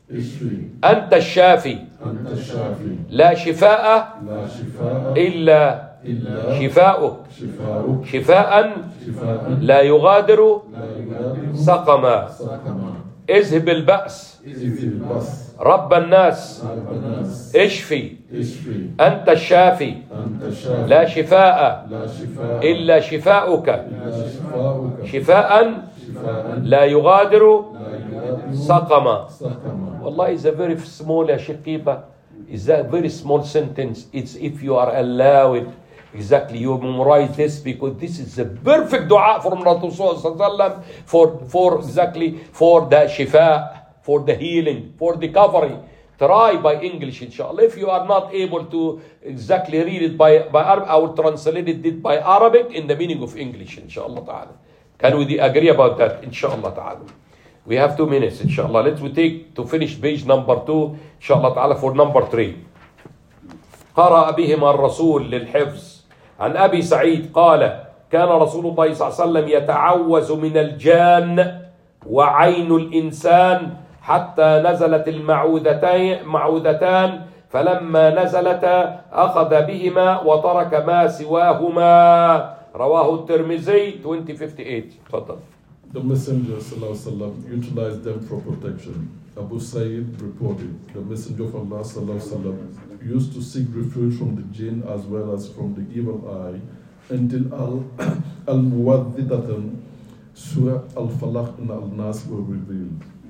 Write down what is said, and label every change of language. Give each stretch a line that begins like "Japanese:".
Arabic: أنت الشافي لا شفاء إلا شفاؤك شفاء لا يغادر سقما اذهب البأس رب الناس اشفي أنت الشافي لا شفاء إلا شفاؤك شفاء لا يغادر سقما.
English: Allah is a very small, Shaqiba, is a very small sentence. It's if you are allowed, exactly, you memorize this, because this is a perfect dua from Rasulullah for the shifa, for the healing, for the recovery. Try by English, inshallah. If you are not able to exactly read it by Arabic, I will translate it by Arabic in the meaning of English, inshallah ta'ala. Can we agree about that, inshallah ta'ala? We have 2 minutes, inshallah. Let's take to finish page number 2, inshallah ta'ala, for number 3.
Arabic: قرأ بهم الرسول للحفظ عن أبي سعيد قال كان رسول الله صلى الله عليه وسلم يتعوذ من الجان وعين الإنسان حتى نزلت المعوذتان فلما نزلت أخذ بهما وترك ما سواهما رواه الترمذي 2058. تفضل.
English: The Messenger sallallahu alaihi wasallam utilized them for protection. Abu Sa'id reported, the Messenger of Allah sallallahu alaihi wasallam used to seek refuge from the jinn as well as from the evil eye until al-muwaddidatan surah al-falaq and al-nas were revealed.